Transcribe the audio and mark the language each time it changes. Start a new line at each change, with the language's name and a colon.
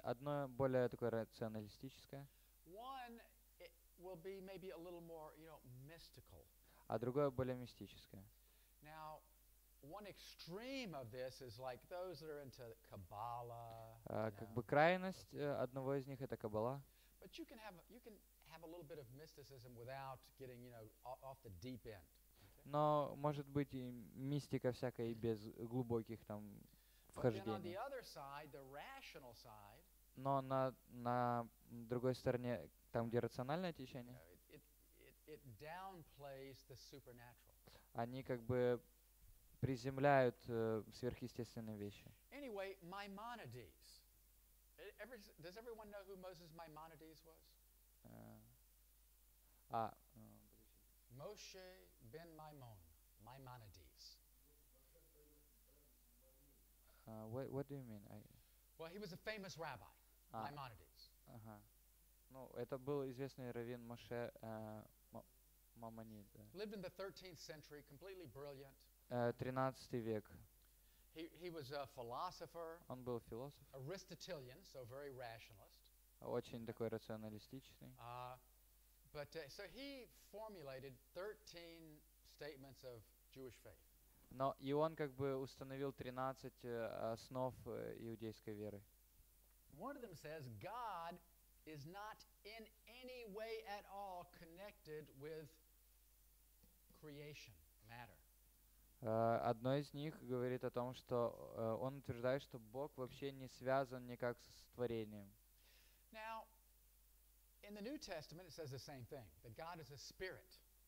Russian: Одно более такое рационалистическое.
English: One, it will be maybe a little more, you know, mystical.
Russian: А другое более мистическое.
English: Now, one extreme of this is like those that are into Kabbalah.
Russian: Как бы крайность одного из них это Каббала.
English: But you can have a little bit of mysticism without getting, you know, off the deep end.
Russian: Но может быть и мистика всякая и без глубоких там вхождений.
English: But on the other side, the rational side.
Russian: Но на другой стороне там где рациональное течение.
English: It downplays the supernatural.
Russian: Они как бы приземляют сверхъестественные вещи.
English: Anyway, Maimonides. Does everyone know who Moses Maimonides was? Moshe ben Maimon, Maimonides. What do you mean? Well, he was a famous rabbi, Maimonides.
Russian: Ну, это был известный раввин Моше Маймонид.
English: Lived in the 13th century, completely brilliant.
Russian: 13 век.
English: He was a philosopher.
Russian: Он был философ.
English: Aristotelian, so very rationalist.
Russian: Очень такой рационалистичный.
English: So he formulated 13 statements of Jewish faith.
Russian: Но и он как бы установил 13 основ иудейской веры.
English: One of them says God is not in any way at all connected with creation, matter.
Russian: Одно из них говорит о том, что он утверждает, что Бог вообще не связан никак с творением.
English: Now, in the New Testament it says the same thing, that God is a spirit.